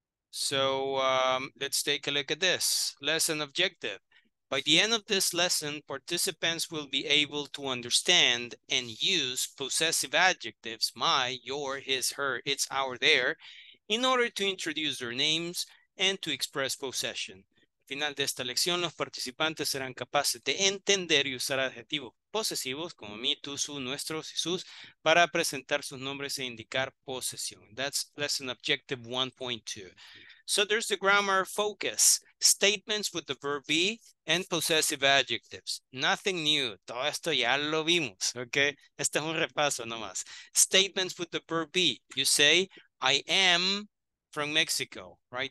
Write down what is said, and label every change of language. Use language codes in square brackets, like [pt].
[en] So let's take a look at this lesson objective. By the end of this lesson, participants will be able to understand and use possessive adjectives, my, your, his, her, it's, our, their, in order to introduce their names and to express possession. [es] Al final de esta lección, los participantes serán capaces de entender y usar adjetivos posesivos como mi, tu, su, nuestros y sus para presentar sus nombres e indicar posesión. [en] That's lesson objective 1.2. So there's the grammar focus. Statements with the verb be and possessive adjectives. Nothing new. [es] Todo esto ya lo vimos, okay? Este es un repaso nomás. [en] Statements with the verb be. You say, I am from Mexico, right?